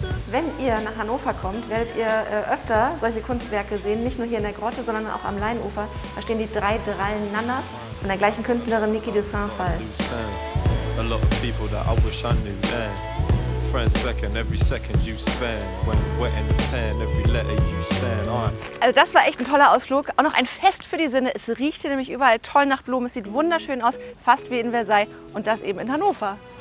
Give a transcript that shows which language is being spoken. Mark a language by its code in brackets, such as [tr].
[de] Wenn ihr nach Hannover kommt, werdet ihr öfter solche Kunstwerke sehen, nicht nur hier in der Grotte, sondern auch am Leinufer. Da stehen die drei Drallen Nannas von der gleichen Künstlerin Niki de Saint-Fall. [en] A lot of people that I wish I knew then. Friends beckon every second you spend. When wet in the pen, every letter you send. [de] Also das war echt ein toller Ausflug. Auch noch ein Fest für die Sinne. Es riecht hier nämlich überall toll nach Blumen. Es sieht wunderschön aus, fast wie in Versailles. Und das eben in Hannover.